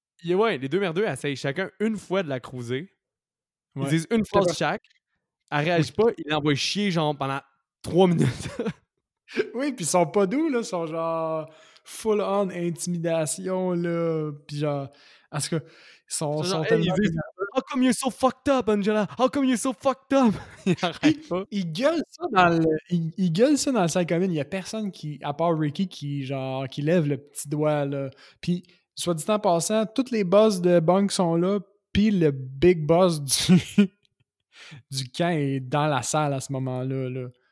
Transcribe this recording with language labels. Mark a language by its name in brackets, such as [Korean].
[French] Les deux merdeux essayent chacun une fois de la cruiser. Ils disent une fois chaque. Elle réagit pas. Ils l'envoient chier, genre, pendant 3 minutes. Oui, puis ils sont pas doux, là. Ils sont, genre, full-on intimidation, là. Puis genre, parce que [English] « How come you're so fucked up, Angela? How come you're so fucked up? » [French] Ils gueulent ça dans la salle commune. Il y a personne qui, à part Ricky, qui lève le petit doigt, là. Puis... Soit dit en passant, toutes les boss de Bunk sont là, puis le big boss du camp est dans la salle à ce moment-là. Là.